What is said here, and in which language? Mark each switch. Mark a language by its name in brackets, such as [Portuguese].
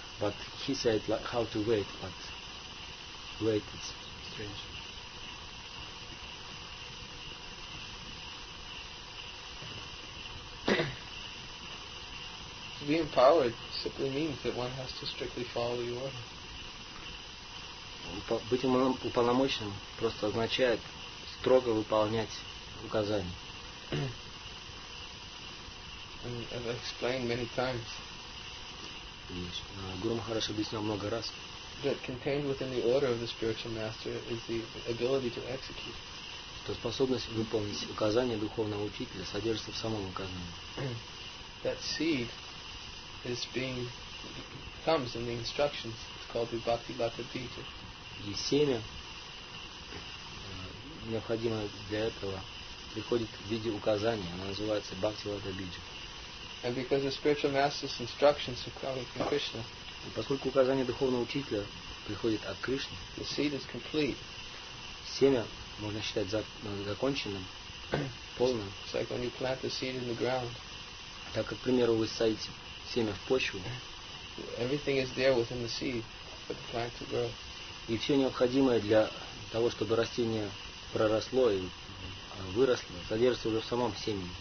[English] But he said like how to wait, but wait is strange. To be empowered simply means that one has to strictly follow the order. [Russian] Быть уполномоченным просто означает строго выполнять указания. [English] I've explained many times. Yes. [Russian] Гуру Махарадж объяснил много раз. [English] That contained within the order of the spiritual master is the ability to execute. [Russian] То способность выполнить указания духовного учителя содержится в самом указании. [English] That seed is being comes in the instructions. It's called the bhakti bhata bija. [Russian] И семя, необходимое для этого, приходит в виде указания. Оно называется бхакти бхата бижа. [English] And because the spiritual master's instructions are coming from Krishna. [Russian] И поскольку указание духовного учителя приходит от Кришны, [English] the seed is complete. [Russian] Семя можно считать законченным, полным. [English] It's like when you plant the seed in the ground. [Russian] Так как, к примеру, вы садите семя в почву. Everything is there within the seed for the plant to grow. И все необходимое для того, чтобы растение проросло и выросло, содержится уже в самом семени.